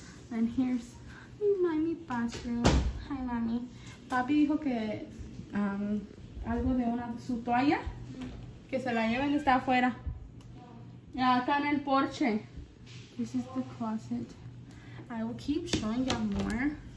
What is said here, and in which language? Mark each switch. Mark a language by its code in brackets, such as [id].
[en] And here's my mommy's bathroom. Hi, mommy. [es] Papi dijo que algo de una su toalla que se la lleven está afuera. Ya está en el porche. [en] This is the closet. I will keep showing you more.